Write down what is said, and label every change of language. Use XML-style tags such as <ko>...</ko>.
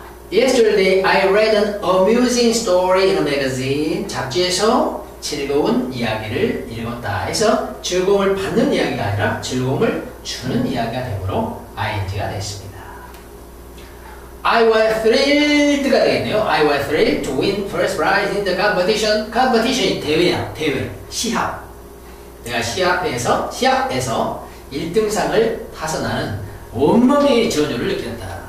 <en>Yesterday, I read an amusing story in a magazine.</en> <ko>잡지에서 즐거운 이야기를 읽었다. 해서 즐거움을 받는 이야기가 아니라 즐거움을 주는 이야기가 되므로 ing가 됐습니다.</ko> <en>I was thrilled가</en> <ko>되겠네요.</ko> <en>I was thrilled to win first prize in the competition.</en> <ko>Competition이 대회야. 대회. 시합. 내가 시합에서 1등상을 타서 나는 온몸의 전율을 느꼈다.</ko>